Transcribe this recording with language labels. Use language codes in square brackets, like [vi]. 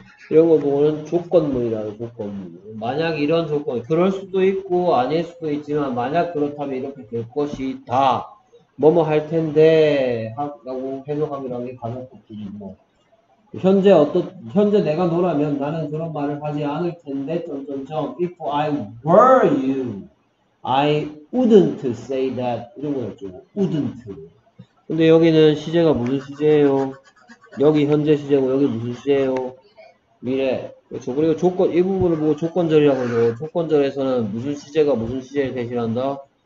[ko] 이런 거 보고는 조건문이라고, 조건문. 만약 이런 조건, 그럴 수도 있고, 아닐 수도 있지만, 만약 그렇다면 이렇게 될 것이다. 뭐뭐 할 텐데, 라고 해석하기라는 게 가장 좋겠죠. 현재 어떤, 현재 내가 너라면 나는 그런 말을 하지 않을 텐데, 점점점. [en] If I were you, I wouldn't say that. [ko] 이런 거였죠. wouldn't. 근데 여기는 시제가 무슨 시제예요? 여기 현재 시제고, 여기 무슨 시제예요? 미래. 그렇죠. 그리고 조건, 이 부분을 보고 조건절이라고 해요. 조건절에서는 무슨 시제가 무슨 시제를 대신한다?